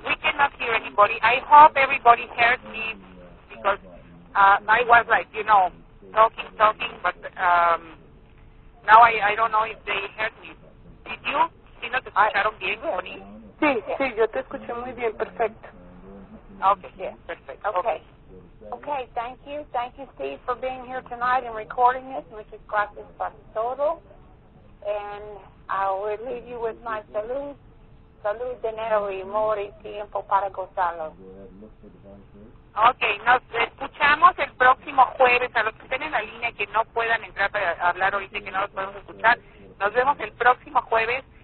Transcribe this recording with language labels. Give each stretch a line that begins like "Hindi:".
English: We cannot hear anybody. I hope everybody heard me because I was like, you know, talking, but now I don't know if they heard me. Did you?
Spanish: Si no te escucharon bien, Connie. Sí, yeah. Sí, yo te escuché muy bien, perfecto.
English: Okay, yeah, perfecto. Okay, thank you, Steve, for being here tonight and recording it.
Spanish: Muchas gracias por todo.
English: And I will leave you with my
Spanish: salud, salud, dinero y amor y tiempo para gozarlo. Okay, nos escuchamos el próximo jueves. A los que estén en la línea que no puedan entrar a hablar ahorita, que no los podemos escuchar, nos vemos el próximo jueves.